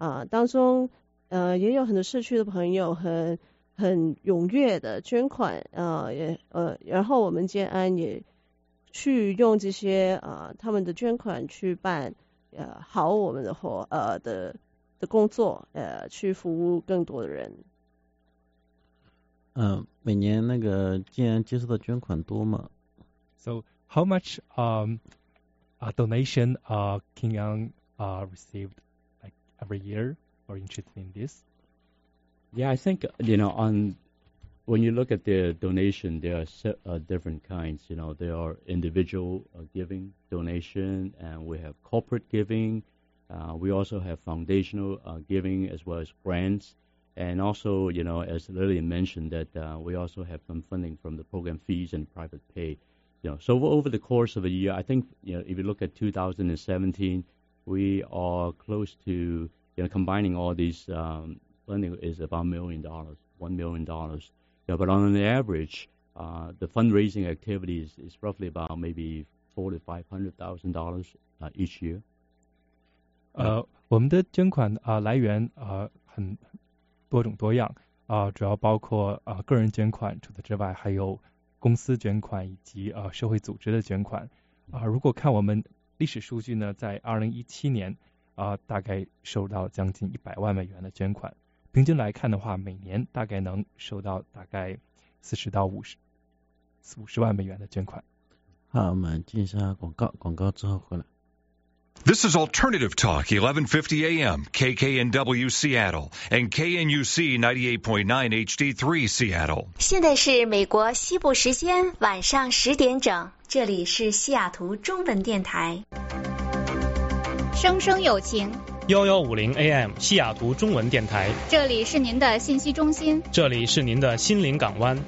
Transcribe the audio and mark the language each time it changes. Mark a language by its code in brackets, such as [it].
[zh] 当中也有很多社区的朋友很踊跃的捐款然后我们建安也去用这些他们的捐款去办好我们的活的工作去服务更多的人每年那个建安接受的捐款多吗 [en] ？So how much a donation Kenyan received like every year or interested in this？ Yeah, I think, you know, when you look at the donation, there are different kinds. You know, there are individual giving donation, and we have corporate giving. We also have foundational giving as well as grants. And also, you know, as Lily mentioned, that we also have some funding from the program fees and private pay. You know, so over the course of a year, I think, you know, if you look at 2017, we are close to, you know, combining all these funding is about $1 million, $1 million. Yeah, but on an average, the fundraising activities is roughly about maybe $400,000 to $500,000 each year. [zh] 我们的捐款来源很多种多样主要包括个人捐款，除此之外还有公司捐款以及社会组织的捐款如果看我们历史数据呢，在2017年大概收到将近$1,000,000的捐款。平均来看的话，每年大概能收到大概40到50万美元的捐款。好，我们进一下广告，广告之后回来。 [en] This is Alternative Talk, 1150 AM, KKNW Seattle, and KNUC 98.9 HD3 Seattle. [zh] 现在是美国西部时间晚上10点整，这里是西雅图中文电台。声声有情。 1150 AM 西雅图中文电台，这里是您的信息中心，这里是您的心灵港湾，